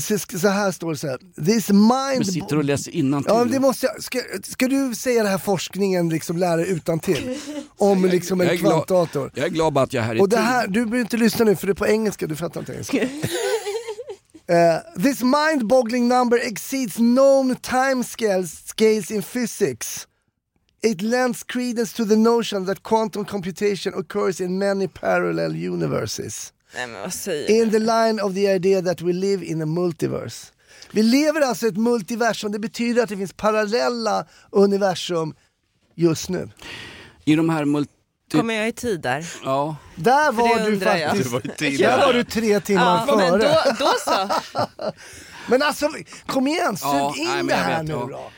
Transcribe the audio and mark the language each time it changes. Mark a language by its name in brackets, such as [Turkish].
[Swedish] Så här står det så här. [English] This mind. [Swedish] Men sitter och läser innan till. Ja, det måste jag. Ska du säga den här forskningen liksom lära utan till om liksom en kvantdator. Jag är glad att jag är här. Och det här, du behöver inte lyssna nu för det är på engelska, du fattar inte engelska. [English] This mind-boggling number exceeds known timescales in physics. It lends credence to the notion that quantum computation occurs in many parallel universes. [Swedish] Nej, men vad säger [English] in the line of the idea that we live in a multiverse. [Swedish] Vi lever alltså i ett multiversum. Det betyder att det finns parallella universum just nu. I de här multi... Kommer jag i tid där? Ja. Där var du faktiskt. Du var i tid där. Där var du 3 timmar ja, före. Men då så. Men alltså, kom igen, sug in det här nu då.